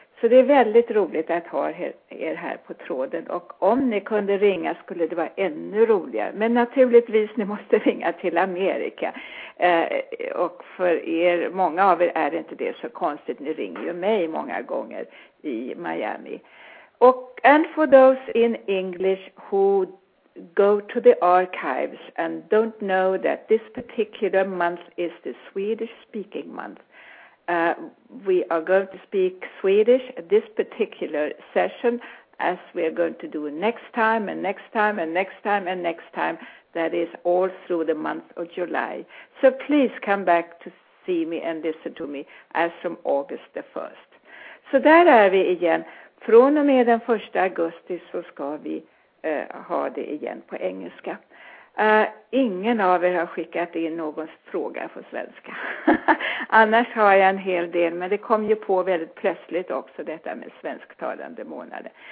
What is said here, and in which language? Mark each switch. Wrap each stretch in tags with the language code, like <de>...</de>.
<sv>Så det är väldigt roligt att ha er här på tråden. Och om ni kunde ringa skulle det vara ännu roligare. Men naturligtvis, ni måste ringa till Amerika. Och för er, många av er är inte det så konstigt. Ni ringer ju mig många gånger i Miami.</sv> <en>Och and for those in English who go to the archives and don't know that this particular month is the Swedish speaking month. We are going to speak Swedish this particular session, as we are going to do next time and next time and next time and next time. That is all through the month of July. So please come back to see me and listen to me as from August the 1st.</en> <sv>Så där är vi igen. Från och med den 1 augusti så ska vi ha det igen på engelska. Ingen av er har skickat in någon fråga på svenska. Annars har jag en hel del, men det kom ju på väldigt plötsligt också detta med svensktalande månader.</sv>